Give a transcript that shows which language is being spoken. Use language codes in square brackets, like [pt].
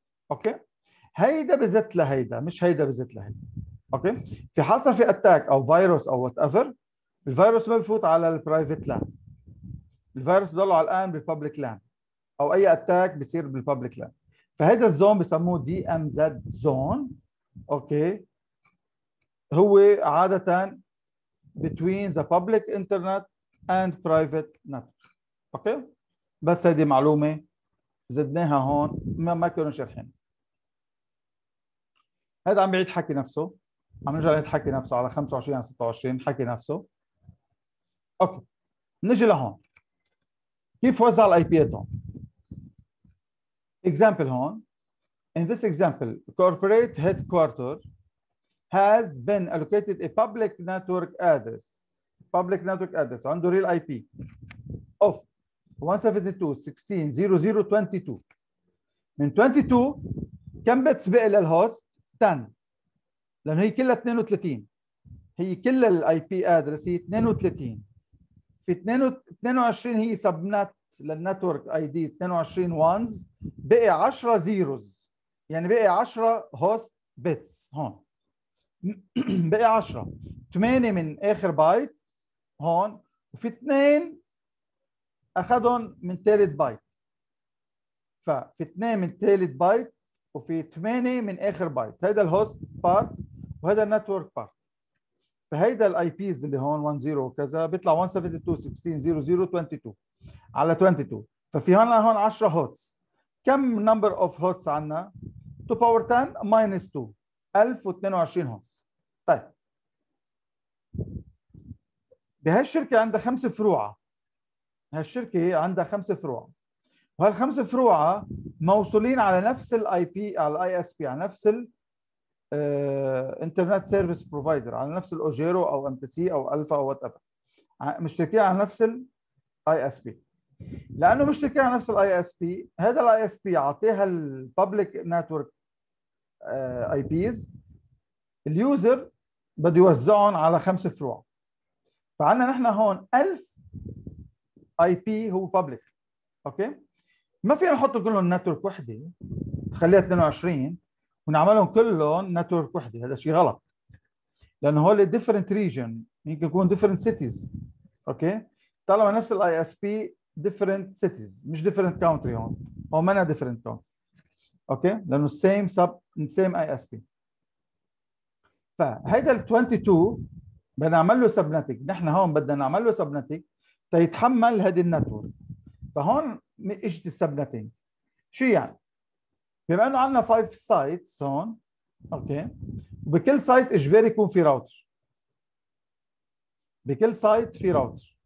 [ar] اوكي، هيدا بزت لهيدا، مش هيدا بزت لهيدا. اوكي، في حال صار في اتاك او فيروس او وات ايفر، الفيروس ما بفوت على البرايفت لان، الفيروس ضل على الان بالبابليك لان، او اي اتاك بيصير بالبابليك لان. فهذا الزون بسموه دي ام زد زون. اوكي، هو عاده [en] between the public internet and private network. [ar] اوكي، بس هذه معلومه زدناها هون ما كانوا شرحين. هذا عم بعيد حكي نفسه، عم نرجع نعيد حكي نفسه على 25 26 حكي نفسه. اوكي، نجي لهون كيف وزع الاي بي هون. Example هون. [en] In this example, corporate headquarters has been allocated a public network address. Public network address under real IP of 172.16.0.0.22. [ar] من 22 كم بتسبق للهوست؟ 10. لأنه هي كلها 32. هي كل الـ IP address هي 32. في 22 هي subnet للنتورك اي دي 22 وانز، بقي 10 زيروز، يعني بقي 10 هوست بيتس هون. بقي 10، 8 من اخر بايت هون، وفي 2 اخذهم من ثالث بايت. ففي 2 من ثالث بايت وفي 8 من اخر بايت، هذا الهوست بارت وهذا النتورك بارت. فهيدا الاي بيز اللي هون 10 وكذا بيطلع 172.16.0.0.22 على 22. ففي هون 10 هوتس. كم [en] number of hots [ar] عنا؟ 2 power 10 minus 2 1022 هوتس. طيب بهالشركة عندها 5 فروع، هالشركة عندها 5 فروع، وهالخمس فروع موصولين على نفس الـ IP، على الـ ISP، على نفس الـ Internet Service Provider، على نفس الـ Ojero أو MTC أو Alpha أو whatever، مشتركين على نفس الـ ISP. لانه مشتركين على نفس الاي اس بي، هذا الاي اس بي عطيها البابليك نتورك اي بيز، اليوزر بده يوزعهم على 5 فروع. فعندنا نحن هون 1000 اي بي هو بابليك. اوكي، ما فينا نحط كلهم نتورك وحده تخليها 22 ونعملهم كلهم نتورك وحده، هذا شيء غلط، لانه هول ديفرنت ريجن، ممكن يكون ديفرنت سيتيز. اوكي، طالما نفس الاي اس بي [en] different cities [ar] مش [en] different country [ar] هون، او مانا different هون. اوكي، لانه [en] same sub same ISP. [ar] فهيدا ال 22 بدنا نعمل له subnetting، نحن هون بدنا نعمل له subnetting تيتحمل هذه النتورك. فهون اجت subnetting شو يعني؟ بما انه عندنا 5 sites هون، اوكي، وبكل سايت اجباري يكون في راوتر، بكل سايت في راوتر.